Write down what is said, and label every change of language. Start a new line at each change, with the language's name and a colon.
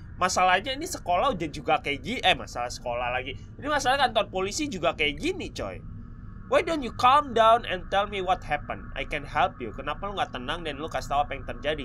Indonesian: Masalahnya ini sekolah udah juga kayak gini. Masalah sekolah lagi. Ini masalah kantor polisi juga kayak gini, coy.
English: Why don't you calm down and tell me what happened? I can help you.
Indonesian: Kenapa lu gak tenang dan lu kasih tahu apa yang terjadi?